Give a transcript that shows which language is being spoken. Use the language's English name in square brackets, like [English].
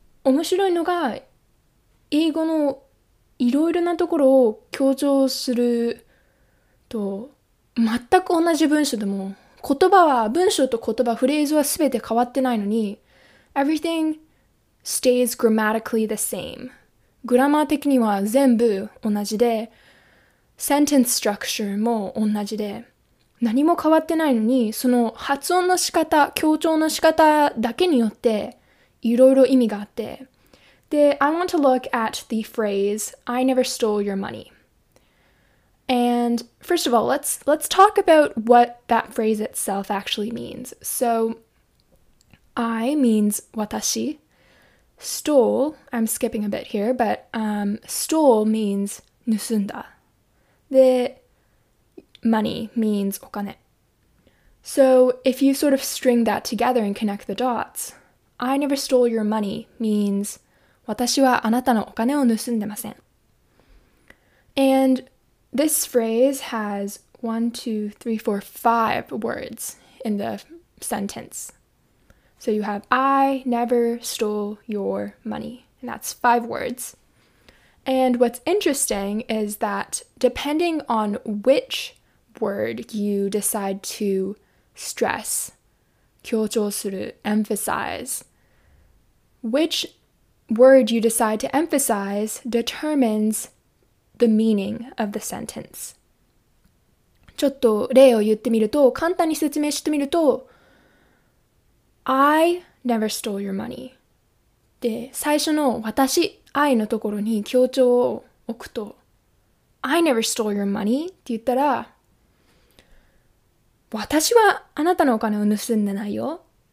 [Japanese] 面白いのが、英語のいろいろなところを強調すると、全く同じ文章でも、文章と言葉、フレーズは全て変わってないのに、 [English] Everything stays grammatically the same。 [Japanese] グラマー的には全部同じで、センテンスストラクチャーも同じで、何も変わってないのに、その発音の仕方、強調の仕方だけによって、いろいろ意味があって。 [English] で、I want to look at the phrase, I never stole your money. And first of all, let's talk about what that phrase itself actually means. So, I means [Japanese] 私。 [English] Stole, I'm skipping a bit here, but stole means [Japanese] 盗んだ. [English] The money means [Japanese] お金. [English] So if you sort of string that together and connect the dots, I never stole your money means [Japanese] 私はあなたのお金を盗んでません. [English] And this phrase has 1, 2, 3, 4, 5 words in the sentence. So you have, I never stole your money. And that's 5 words. And what's interesting is that depending on which word you decide to stress, [Japanese] 強調する、emphasize, [English] which word you decide to emphasize determines the meaning of the sentence. [Japanese] ちょっと例を言ってみると、簡単に説明してみると、 [English] I never stole your money. [Japanese] で、最初の私、I のところに強調を置くと、 [English] I never stole your money [Japanese] って言ったら、私はあなたのお金を盗んでないよ。